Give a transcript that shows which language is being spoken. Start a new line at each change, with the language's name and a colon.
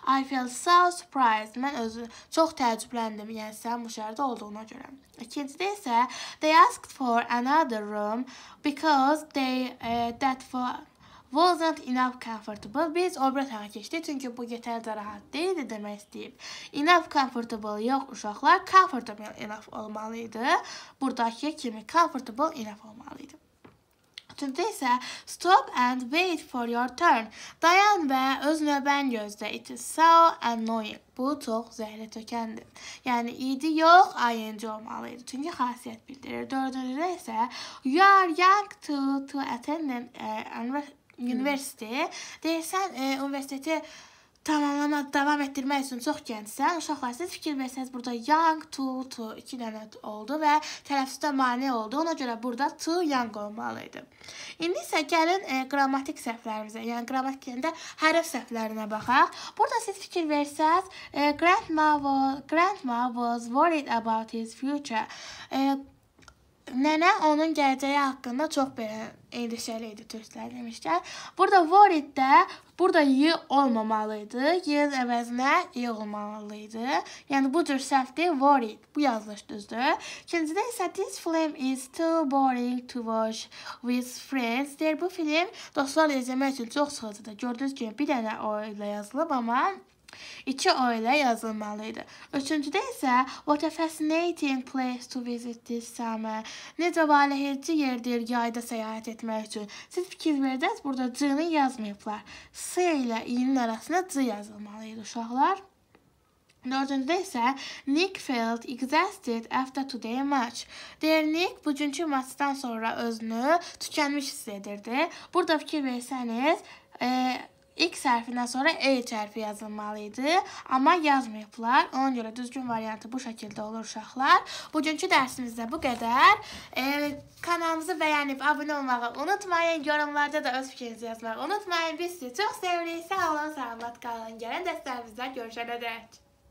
English: I felt so surprised.
Azerbaijani: Mən özümü çox təəccübləndim, yəni sən bu şəhərdə olduğuna görə. İkincidə isə,
English: they asked for another room because they that for... Wasn't enough comfortable.
Azerbaijani: Biz o bir tağa keçdik. Çünki bu yetərcə rahat deyildi demək istəyib.
English: Enough comfortable
Azerbaijani: yox uşaqlar.
English: Comfortable enough
Azerbaijani: olmalıydı. Buradakı kimi comfortable enough olmalıydı. Üçüncü isə
English: stop and wait for your turn.
Azerbaijani: Dayan və öz növbən gözlə.
English: It is so annoying.
Azerbaijani: Bu çox zəhlə tökəndi. Yəni, idi yox, ing olmalıydı. Çünki xasiyyət bildirir. Dördüncü isə
English: you are young to attend an university.
Azerbaijani: Üniversite. Deyirsən, universiteti davam etdirmək üçün çox gəncsən. Uşaqlar, siz fikir versəniz, burada young, to, iki dənə oldu və tələffüzdə mane oldu. Ona görə burada to, young olmalıydı. İndi isə gəlin qrammatik səhvlərimizə, yəni qrammatik yəndə hərf səhvlərinə baxaq. Burada siz fikir versəniz,
English: grandma was worried about his future.
Azerbaijani: Nənə onun gələcəyi haqqında çox endişəli idi türklər demişkən. Burada worried də burada y olmamalıydı. Y-nin əvəzinə y olmalıydı. Yəni bu cür səhvdir worried. Bu yazılış düzdür. İkincidə isə
English: this film is too boring to watch with friends.
Azerbaijani: Deyir, bu film dostlarla izləmək üçün çox sıxıcıdır. Gördüyünüz kimi bir dənə o ilə yazılıb, amma İki o ilə yazılmalıydı. Üçüncüdə isə
English: what a fascinating place to visit this summer.
Azerbaijani: Necə valehedici yerdir yayda səyahət etmək üçün. Siz fikir verdiniz, burada c-ni yazmayıblar. S ilə i-nin arasında c yazılmalıydı uşaqlar. Dördüncüdə isə
English: Nick felt exhausted after today match.
Azerbaijani: Deyir, Nick bugünkü maçdan sonra özünü tükənmiş hiss edirdi. Burada fikir versəniz, X hərfindən sonra H hərfi yazılmalıydı, amma yazmayıblar. Onun görə düzgün variantı bu şəkildə olur uşaqlar. Bugünkü dərsimizdə bu qədər. Kanalımızı bəyənib abunə olmağı unutmayın. Yorumlarda da öz fikrinizi yazmağı unutmayın. Biz sizi çox sevirik. Sağ olun, sağlamat qalın. Gələn dərslərimizdə görüşənə dək.